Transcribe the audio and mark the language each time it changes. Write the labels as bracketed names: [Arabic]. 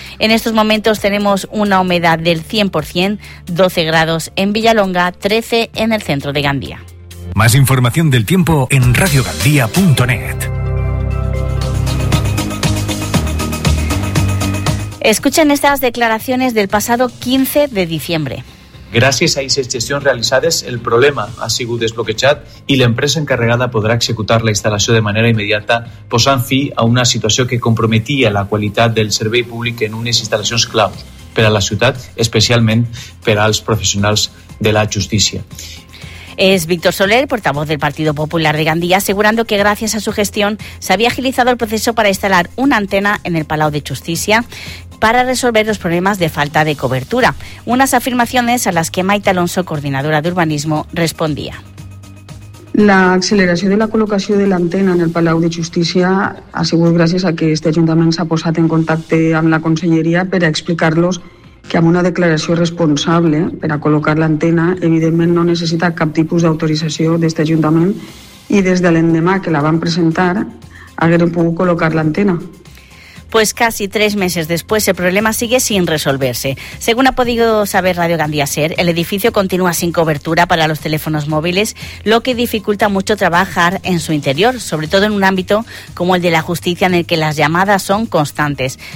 [Spanish] En estos momentos tenemos una humedad del 100%, 12 grados en Villalonga, 13 en el centro de Gandía. Más información del tiempo en radiogandia.net. Escuchen estas declaraciones del pasado 15 de diciembre. [Catalan] Gràcies a aquestes gestions realitzades, el problema ha sigut desbloquejat i l'empresa encarregada podrà executar la instal·lació de manera immediata, posant fi a una situació que comprometia la qualitat del servei públic en unes instal·lacions claus per a la ciutat, especialment per als professionals de la justícia. [Spanish] Es Víctor Soler, portavoz del Partido Popular de Gandía, asegurando que gracias a su gestión se había agilizado el proceso para instalar una antena en el Palau de Justicia para resolver los problemas de falta de cobertura. Unas afirmaciones a las que Maite Alonso, coordinadora de urbanismo, respondía. La aceleración de la colocación de la antena en el Palau de Justicia ha sido gracias a que este ayuntamiento se ha posado en contacto con la consellería para explicarlos que [Catalan] amb una declaració responsable per a col·locar l'antena, evidentment no necessita cap tipus d'autorització d'aquest ajuntament i des de l'endemà que la van presentar hagueren pogut col·locar l'antena. [Spanish] Pues casi 3 meses después el problema sigue sin resolverse. Según ha podido saber Radio Gandía Ser, el edificio continúa sin cobertura para los teléfonos móviles, lo que dificulta mucho trabajar en su interior, sobre todo en un ámbito como el de la justicia en el que las llamadas son constantes.